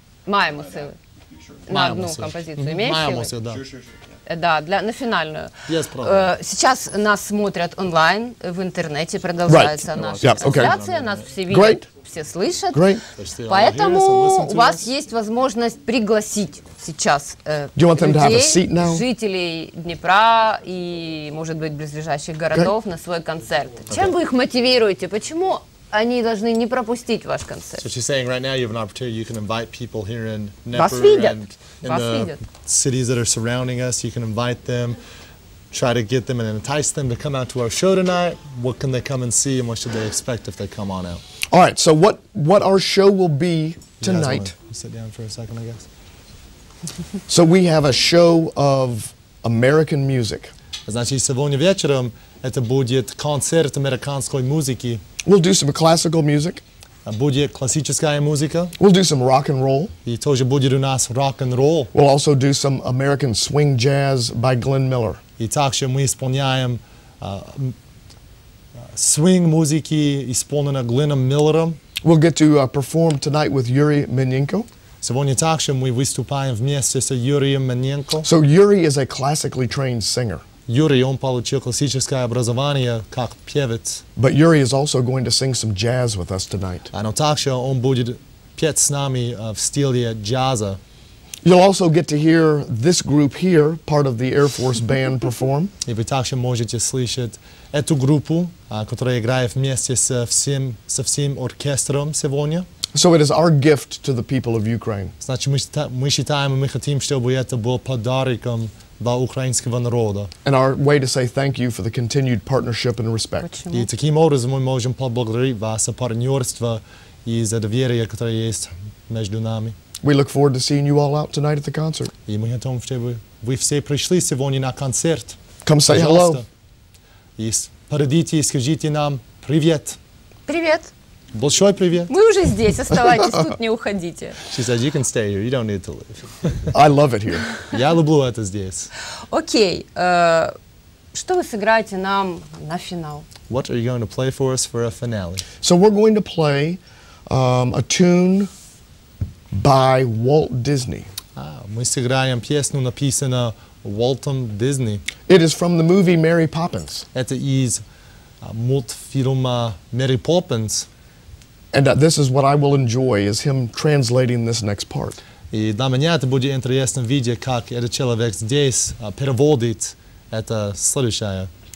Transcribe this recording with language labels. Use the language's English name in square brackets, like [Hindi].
[Ukrainian] Маємо сили. На одну композицію. Маємо сили, так. [English] Sure, sure, sure. [Ukrainian] Да, для, на фінальну. [English] Yes, [Ukrainian] правда. [Russian] Сейчас нас смотрят онлайн, [Ukrainian] в інтернеті продовжається [English] right. [Ukrainian] наша трансляція. [English] Yeah, okay. [Russian] Нас [Ukrainian] всі [Russian] видят, всі слышат. [English] Great. [Russian] Поэтому у вас [Ukrainian] є [Russian] возможность пригласить сейчас людей, жителей Дніпра [Ukrainian] і, може бути, [Russian] близлежащих городов на свої концерти. [Ukrainian] Чим ви їх мотивуєте? Чому вони повинні не пропустити ваш концерт? [English] So she's saying right now you have an opportunity, you can invite people here in Dnipro and in the cities that are surrounding us, you can invite them, try to get them and entice them to come out to our show tonight. What can they come and see and what should they expect if they come on out? All right, so what our show will be tonight. You guys wanna sit down for a second, I guess. So we have a show of American music. [Ukrainian] Значить, сьогодні вечором це буде концерт американської музики. [English] We'll do some classical music. [Ukrainian] Буде класична музика. [English] We'll do some rock and roll. [Ukrainian] І тоже буде у нас rock and roll. [English] We'll also do some American swing jazz by Glenn Miller. [Ukrainian] І також ми сповняємо swing музики, сповнена Гленом Миллером. [English] We'll get to perform tonight with Yuri Menenko. [Ukrainian] Сьогодні також ми виступаємо вместе з Юрієм Менєнко. [English] So Yuri is a classically trained singer. [Russian] Yuri, он получил классическое образование как певец. [English] But Yuri is also going to sing some jazz with us tonight. [Russian] А також он будет петь с нами в стиле джаза. [English] You'll also get to hear this group here, part of the Air Force Band, perform. [Ukrainian] І ви також можете слухати цю групу, яка грає вместе з всім оркестром сьогодні. [English] So it is our gift to the people of Ukraine. [Ukrainian] Значить, ми вважаємо, ми хочемо, щоб це був подарунком для українського народу. [English] And our way to say thank you for the continued partnership and respect. [Ukrainian] І таким образом ми можемо поблагодарити вас за партнерство і за довіру, яка є між нами. [English] We look forward to seeing you all out tonight at the concert. [Ukrainian] І ми хочемо, щоб ви всі прийшли сьогодні на концерт. [English] Come say hello. [Ukrainian] І передайте і скажіть нам привіт. Привіт. [Russian] Большой привет. Мы уже здесь, оставайтесь тут, не уходите. [English] She said, you can stay here, you don't need to leave. I love it here. [Russian] Я люблю это здесь. Окей, что вы сыграете нам на финал? [English] What are you going to play for us for a finale? So we're going to play a tune by Walt Disney. [Russian] Мы сыграем песню, написанную Уолтом Дисней. [English] It is from the movie Mary Poppins. [Russian] Это из мультфильма Mary Poppins. [English] And this is what I will enjoy, is him translating this next part. [Russian] И для меня это будет интересно видеть, как этот человек здесь переводит это следующее.